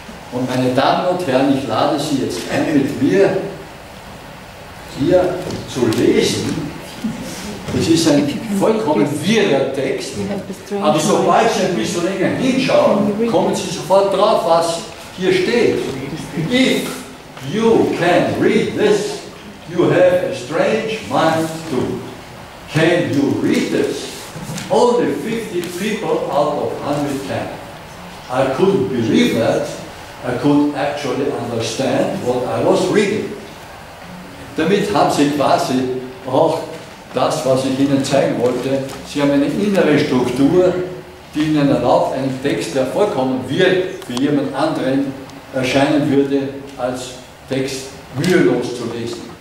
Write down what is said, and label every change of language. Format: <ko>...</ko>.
<de>Und meine Damen und Herren, ich lade Sie jetzt ein, mit mir hier zu lesen. Das ist ein vollkommen wirrer Text, aber sobald Sie ein bisschen länger hinschauen, kommen Sie sofort drauf, was hier steht.</de> <en>If you can read this, you have a strange mind too. Can you read this? Only 50 people out of 100 can. I couldn't believe that. I could actually understand what I was reading.</en> <de>Damit haben Sie quasi auch das, was ich Ihnen zeigen wollte. Sie haben eine innere Struktur, die Ihnen erlaubt, einen Text, der vollkommen wie für jemand anderen erscheinen würde, als Text mühelos zu lesen.</de>